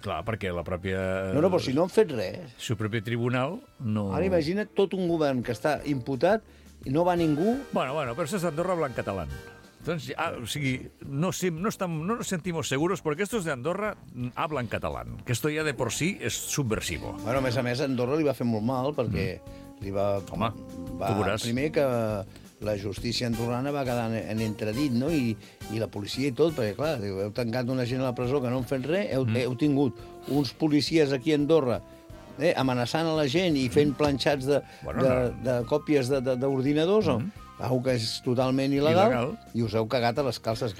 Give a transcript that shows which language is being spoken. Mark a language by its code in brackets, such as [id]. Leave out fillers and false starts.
[ca] Clar, perquè la pròpia... No, però si no han fet res... Si el propi tribunal no... Ara imagina't tot un govern que està imputat i no va ningú... Bueno, però això és Andorra Blanc Català. Doncs, o sigui, [es] no nos sentimos seguros, [ca] perquè [es] estos de Andorra hablan català. Que esto ya de por sí es subversivo. [ca] Bueno, a més, Andorra li va fer molt mal, perquè li va... Home, va, tu veuràs. Primer que... La justícia andorrana va quedar en entredit, no? I la policia i tot, perquè, clar, heu tancat una gent a la presó que no han fet res, heu tingut uns policies aquí a Andorra amenaçant a la gent i fent planxats de còpies d'ordinadors, algo que és totalment il·legal, i us heu cagat a les calces.